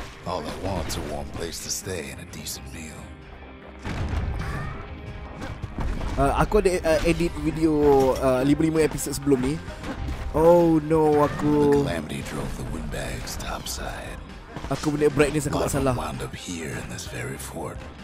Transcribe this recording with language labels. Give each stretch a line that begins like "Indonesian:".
English: All I want is a warm place to stay and a decent meal.
Malay: Aku ada edit video 5 episod sebelum ni.
English: Oh no, aku. The calamity drove the windbags topside.
Malay: Aku punya brightness aku tak salah.
English: Wound up here in this very fort.